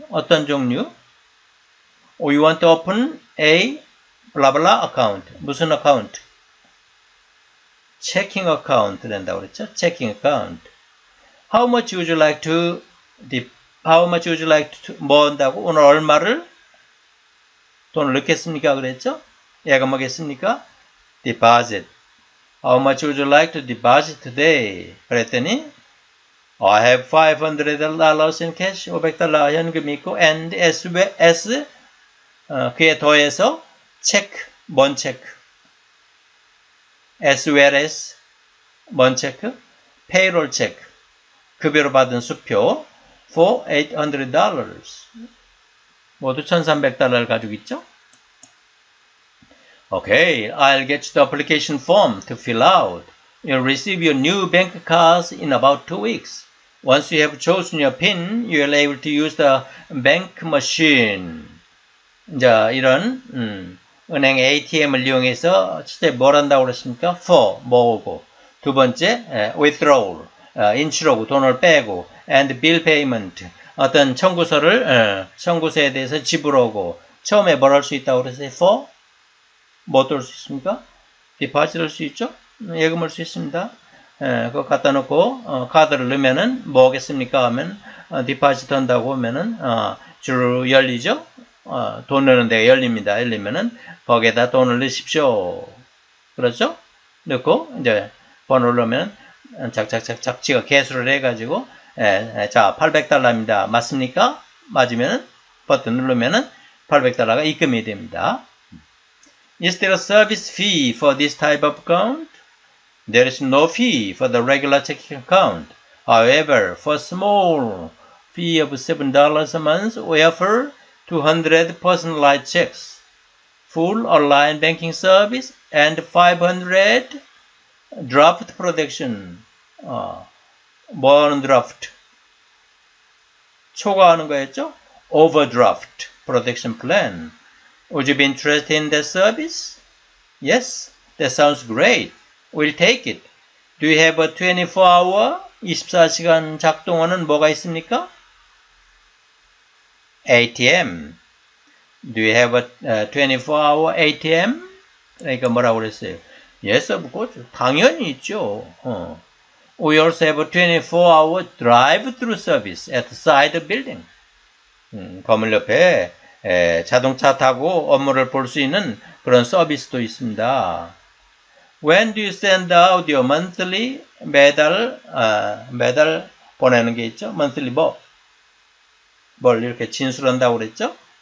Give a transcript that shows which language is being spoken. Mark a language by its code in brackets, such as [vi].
[ko] 어떤 종류? [en] We want to open a blah blah account. [ko] 무슨 [en] account? Checking account [ko] 된다고 그랬죠? [en] Checking account. How much would you like to how much would you like to [ko] 뭐 한다고? 오늘 얼마를 돈을 넣겠습니까? 그랬죠? 예금하겠습니까? Deposit. [en] How much would you like to deposit today? [ko] 그랬더니 [en] I have $500 in cash, $500 [ko] 현금 있고, [en] and as [ko] 그에 더해서 [en] check, [ko] 뭔 [en] check? As well as [ko] 뭔 [en] check? Payroll check, [ko] 급여로 받은 수표 [en] for $800. [ko] 모두 $1,300를 가지고 있죠? [en] Okay, I'll get you the application form to fill out. You'll receive your new bank cards in about 2 weeks. Once you have chosen your PIN, you are able to use the bank machine. [ko] 자, 이런 은행 ATM을 이용해서 첫째 뭘 한다고 그랬습니까? For, 뭐고. 두 번째, withdrawal, 인출하고 돈을 빼고. [en] And bill payment, [ko] 어떤 청구서를, 청구서에 대해서 지불하고. 처음에 뭘 할 수 있다고 그랬어요? For, 뭐 들 수 있습니까? Deposit 할 수 있죠? 예금할 수 있습니다. 그거 갖다 놓고 카드를 넣으면은 뭐 하겠습니까 하면 디파짓 한다고 하면은 주로 열리죠. 돈 넣는 데가 열립니다. 열리면은 거기에다 돈을 넣으십시오. 그렇죠? 넣고 이제 번호를 넣으면 착착착착 지가 개수를 해가지고 자 800달러입니다. 맞습니까? 맞으면은 버튼 누르면은 800달러가 입금이 됩니다. [en] Is there a service fee for this type of account? There is no fee for the regular checking account. However, for a small fee of $7 a month, we offer 200 personalized checks, full online banking service, and 500 draft protection. [ko] 뭐 하는 [en] draft? [ko] 초과하는 거였죠? [en] Overdraft protection plan. Would you be interested in that service? Yes, that sounds great. We'll take it. Do you have a 24-hour, [ko] 24시간 작동하는 뭐가 있습니까? [en] ATM. Do you have a 24-hour ATM? [ko] 그러니까 뭐라고 그랬어요? [en] Yes, of course. [ko] 당연히 있죠. [en] We also have a 24-hour drive-thru service at the side of the building. [ko] 건물 옆에 자동차 타고 업무를 볼 수 있는 그런 서비스도 있습니다. [en] When do you send out your monthly [ko] 매달 보내는 게 있죠? Monthly 뭘 이렇게 진술한다고 그랬죠?